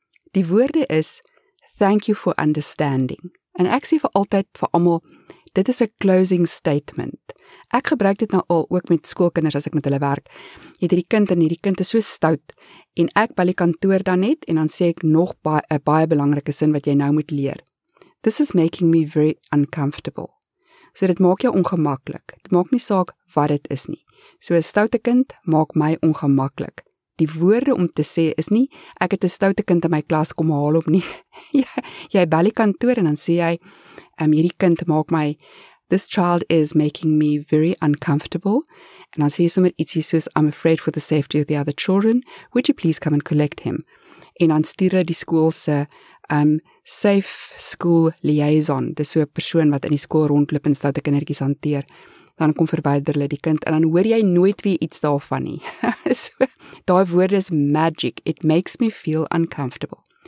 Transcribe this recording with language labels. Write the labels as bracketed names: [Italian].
[Afrikaans] Die woorde is, [English] thank you for understanding. [Afrikaans] En ek sê vir altyd vir almal, dit is 'n closing statement. Ek gebruik dit nou al ook met skoolkinders as ek met hulle werk. Jy het hierdie kind en hierdie kind is so stout. En ek bel die kantoor dan net en dan sê ek nog 'n baie belangrike sin wat jy nou moet leer. [English] This is making me very uncomfortable. [Afrikaans] So dit maak jou ongemaklik. Dit maak nie saak wat dit is nie. So 'n stoute kind maak my ongemaklik. Die woorde om te sê is nie, ek het 'n stoute kind in my klas kom haal op nie. Jy bel die kantoor en dan sê jy, hierdie kind maak my, [English] this child is making me very uncomfortable. [Afrikaans] En dan sê jy sommer ietsie soos, [English] I'm afraid for the safety of the other children, would you please come and collect him? [Afrikaans] En dan stuur die skool se safe school liaison, dis so 'n persoon wat in die skool rondloop en stoute kindertjies hanteer. Dan kom verwyder hulle die kind en dan hoor jy nooit weer iets daarvan nie. So, daai woorde is magic. [English] It makes me feel uncomfortable.